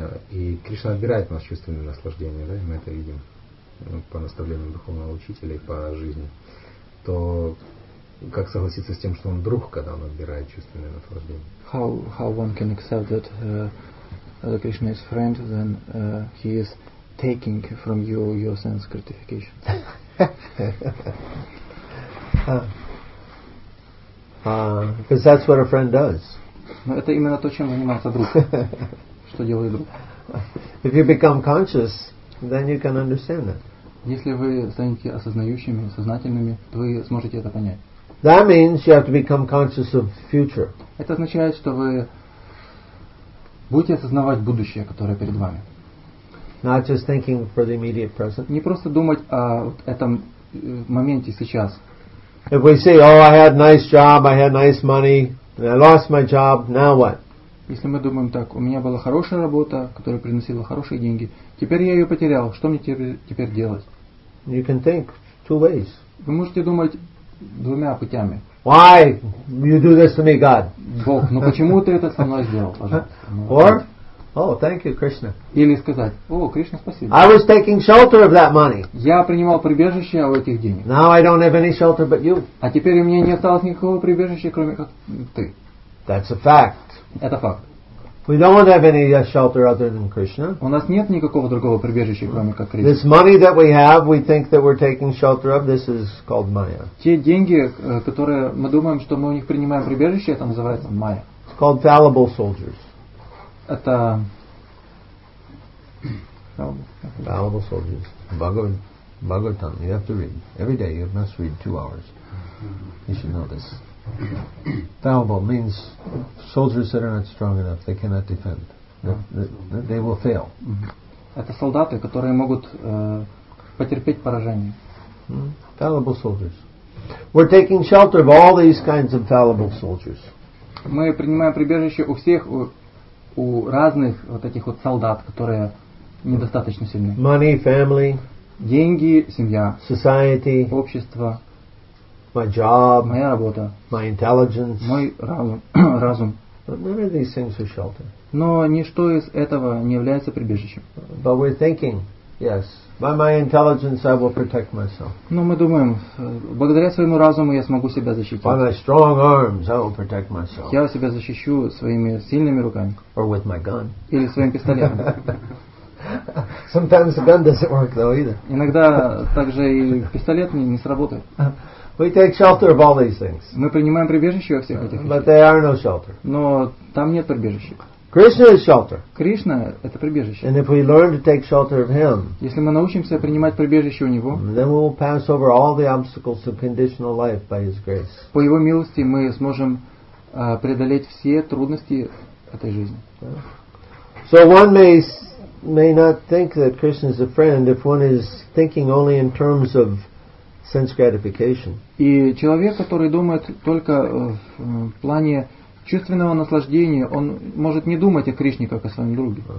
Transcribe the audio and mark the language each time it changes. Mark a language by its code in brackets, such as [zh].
[ru] И Кришна отбирает у нас чувственные наслаждения, да, и мы это видим по наставлениям духовного учителя и по жизни. То как согласиться с тем, что он друг, когда он отбирает чувственные наслаждения? [en] How one can accept that Krishna is friend, then he is taking from you your sense gratification? Because that's what a friend does. [ru] Но это именно то, чем занимается друг. Что делает друг? [en] If you become conscious, then you can understand that. [ru] Если вы станете осознающими, сознательными, то вы сможете это понять. [en] That means you have to become conscious of future. [ru] Это означает, что вы Будете осознавать будущее, которое перед вами. [en] Not just thinking for the immediate present. [ru] Не просто думать о вот этом моменте сейчас. [en] If we say, oh, I had nice job, I had nice money, and I lost my job, now what? [ru] Если мы думаем так, у меня была хорошая работа, которая приносила хорошие деньги, теперь я ее потерял, что мне теперь делать? [en] You can think two ways. [ru] Вы можете думать двумя путями. [en] Why you do this to me, God? [ru] Бог, ну почему ты это со мной сделал, пожалуйста? [en] Or, oh, thank you, Krishna. [ru] Или сказать, о, Кришна, спасибо. [en] I was taking shelter of that money. [ru] Я принимал прибежище у этих денег. [en] Now I don't have any shelter but you. [ru] А теперь у меня не осталось никакого прибежища, кроме как ты. [en] That's a fact. [ru] Это факт. [en] We don't want to have any shelter other than Krishna. [ru] У нас нет никакого другого прибежища, кроме как Кришна. [en] This money that we have, we think that we're taking shelter of, this is called Maya. [ru] Те деньги, которые мы думаем, что мы у них принимаем прибежище, это называется Maya. [en] It's called fallible soldiers. [ru] Это [en] fallible soldiers. Bhagavatam. You have to read. Every day you must read 2 hours. You should know this. Fallible means soldiers that are not strong enough, they cannot defend. They will fail. [ru] Это солдаты, которые могут потерпеть поражение. [en] Fallible soldiers. We're taking shelter of all these kinds of fallible soldiers. [ru] Мы принимаем прибежище у всех у разных вот этих вот солдат, которые недостаточно сильны. [en] Money, family, [ru] деньги, семья, [en] society, [ru] общество. [en] My job, [ru] моя работа, [en] my intelligence, [ru] мой разум. [en] But none of these things are shelter. [ru] Но ничто из этого не является прибежищем. [en] But we're thinking, yes, by my intelligence I will protect myself. [ru] Но мы думаем, благодаря своему разуму я смогу себя защитить. [en] By my strong arms I will protect myself. [ru] Я себя защищу своими сильными руками. [en] Or with my gun. [ru] Или своим пистолетом. [en] Sometimes the gun doesn't work though either. [ru] Иногда также и пистолет не сработает. [en] We take shelter of all these things. [ru] Мы принимаем прибежище во всех этих вещах. [en] But they are no shelter. [ru] Но там нет прибежища. [en] Krishna is shelter. [ru] Кришна это прибежище. [en] And if we learn to take shelter of Him, [ru] если мы научимся принимать прибежище у Него, [en] then we will pass over all the obstacles of conditional life by His grace. [ru] По Его милости мы сможем преодолеть все трудности этой жизни. [en] So one may not think that Krishna is a friend if one is thinking only in terms of sense gratification. [ru] И человек, который думает только в плане чувственного наслаждения, он может не думать о Кришне как о своем друге.